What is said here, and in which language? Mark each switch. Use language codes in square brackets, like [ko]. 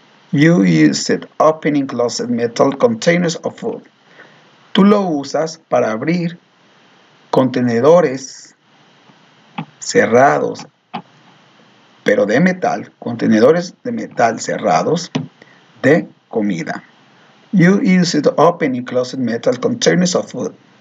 [en] You use it opening closed metal containers of food. [es] Tú lo usas para abrir contenedores cerrados, pero de metal, contenedores de metal cerrados de comida. [en] You use it opening closed metal containers of food.